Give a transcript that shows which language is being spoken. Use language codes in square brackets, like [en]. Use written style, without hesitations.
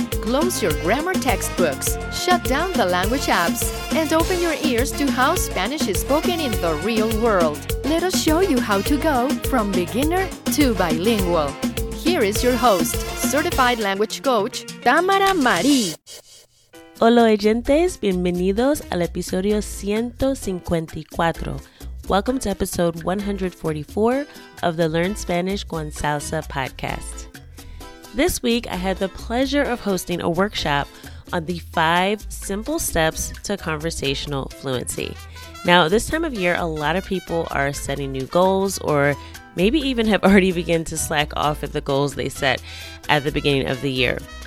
[en] Close your grammar textbooks, shut down the language apps, and open your ears to how Spanish is spoken in the real world. Let us show you how to go from beginner to bilingual. Here is your host, certified language coach, Tamara Mari. [es] Hola oyentes, bienvenidos al episodio 154. [en] Welcome to episode 144 of the Learn Spanish con Salsa podcast. This week, I had the pleasure of hosting a workshop on the 5 simple steps to conversational fluency. Now, this time of year, a lot of people are setting new goals or maybe even have already begun to slack off at the goals they set at the beginning of the year.